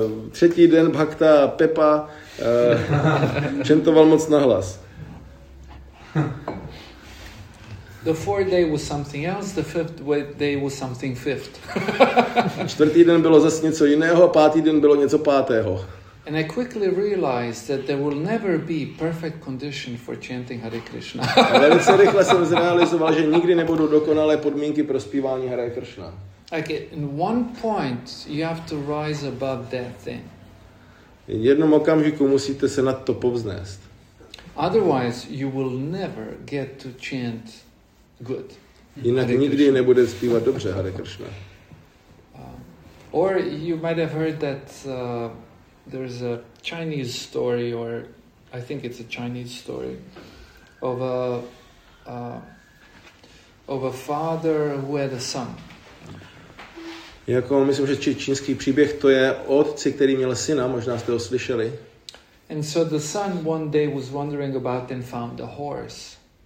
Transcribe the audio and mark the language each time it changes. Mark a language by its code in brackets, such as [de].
[cs] třetí den Bhakta Pepa čentoval moc nahlas. [en] The fourth day was something else, the fifth day was something fifth. [cs] Čtvrtý den bylo zase něco jiného, pátý den bylo něco pátého. [en] And I quickly realized that there will never be perfect condition for chanting Hare Krishna. [cs] Velice rychle jsem zrealizoval, že nikdy nebudou dokonalé podmínky pro zpívání Hare Krishna. [en] Okay, in one point you have to rise above that thing. [cs] V jednom okamžiku musíte se nad to povznést. [en] Otherwise you will never get to chant good. [cs] Jinak nikdy nebude zpívat dobře Hare Krishna. [en] Or you might have heard that there's a Chinese story, or I think it's a Chinese story, of a father who had a son. [cs] Jako myslím, že čínský příběh to je otci, který měl syna, možná jste ho slyšeli. [en] And so the son one day was wandering about and found a horse.